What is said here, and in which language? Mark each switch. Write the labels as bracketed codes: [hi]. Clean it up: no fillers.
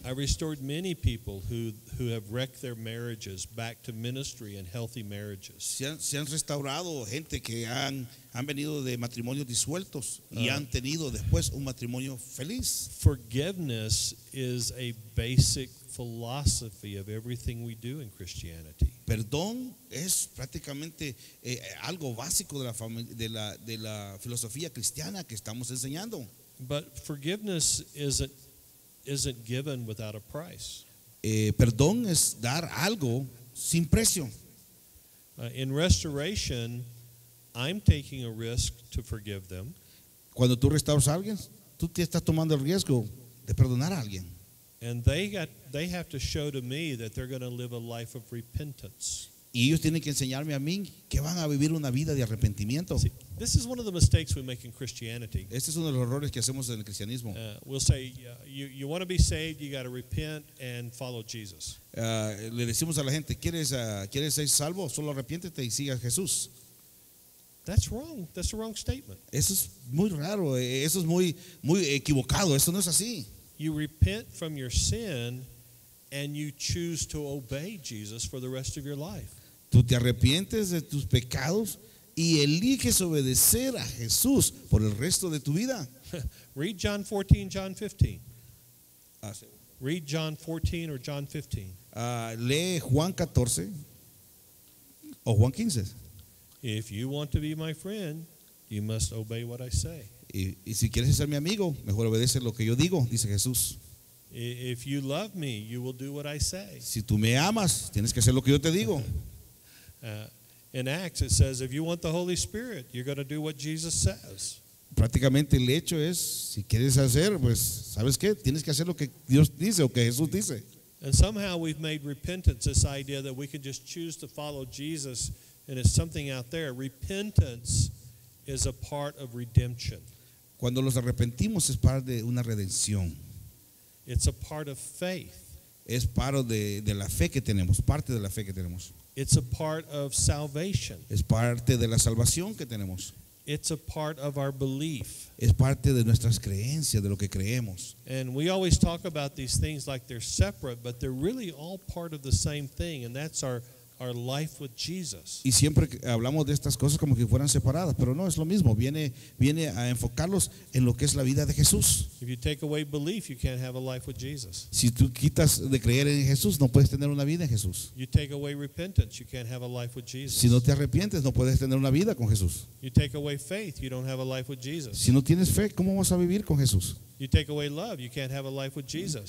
[en] I restored many people who have wrecked their marriages back to ministry and healthy marriages. [es] Se han restaurado gente que han venido de matrimonios disueltos y han tenido después un matrimonio feliz. [en] Forgiveness is a basic philosophy of everything we do in Christianity. [es] Perdón es prácticamente algo básico de la filosofía cristiana que estamos enseñando. [en] But forgiveness isn't given without a price. [es] Perdón es dar algo sin precio. [en] In restoration, I'm taking a risk to forgive them. [es] Cuando tú restauras a alguien, tú te estás tomando el riesgo de perdonar a alguien. [en] And they have to show to me that they're going to live a life of repentance. [es] Y ellos tienen que enseñarme a mí que van a vivir una vida de arrepentimiento. [en] See, this is one of the mistakes we make in Christianity. [es] Este es uno de los errores que hacemos en el cristianismo. [en] We'll say, you want to be saved, you got to repent and follow Jesus. [es] Le decimos a la gente, ¿quieres ser salvo? Solo arrepiéntete y siga a Jesús. [en] That's wrong. That's the wrong statement. [es] Eso es muy raro. Eso es muy, muy equivocado. Eso no es así. [en] You repent from your sin and you choose to obey Jesus for the rest of your life. [es] Tú te arrepientes de tus pecados y eliges obedecer a Jesús por el resto de tu vida. [en] Read John 14, John 15. Read John 14 or John 15. [es] Lee Juan 14 o Juan 15. [en] If you want to be my friend, you must obey what I say. [es] Y si quieres ser mi amigo, mejor obedece lo que yo digo, dice Jesús. [en] If you love me, you will do what I say. [es] Si tú me amas, tienes que hacer lo que yo te digo. [en] In Acts it says, if you want the Holy Spirit, you're going to do what Jesus says. [es] Prácticamente el hecho es, si quieres hacer, pues, ¿sabes qué? Tienes que hacer lo que Dios dice o que Jesús dice. [en] And somehow we've made repentance this idea that we can just choose to follow Jesus and it's something out there. Repentance is a part of redemption. [es] Cuando los arrepentimos es parte de una redención. [en] It's a part of faith. [es] Es parte de la fe que tenemos, parte de la fe que tenemos. [en] It's a part of salvation. [es] Es parte de la salvación que tenemos. [en] It's a part of our belief. [es] Es parte de nuestras creencias, de lo que creemos. [en] And we always talk about these things like they're separate, but they're really all part of the same thing, and that's our life with Jesus. [es] Y siempre hablamos de estas cosas como que fueran separadas, pero no, es lo mismo. Viene a enfocarlos en lo que es la vida de Jesús. [en] If you take away belief, you can't have a life with Jesus. [es] Si tú quitas de creer en Jesús, no puedes tener una vida en Jesús. [en] You take away repentance, you can't have a life with Jesus. [es] Si no te arrepientes, no puedes tener una vida con Jesús. [en] You take away faith, you don't have a life with Jesus. [es] Si no tienes fe, ¿cómo vas a vivir con Jesús? [en] You take away love, you can't have a life with Jesus.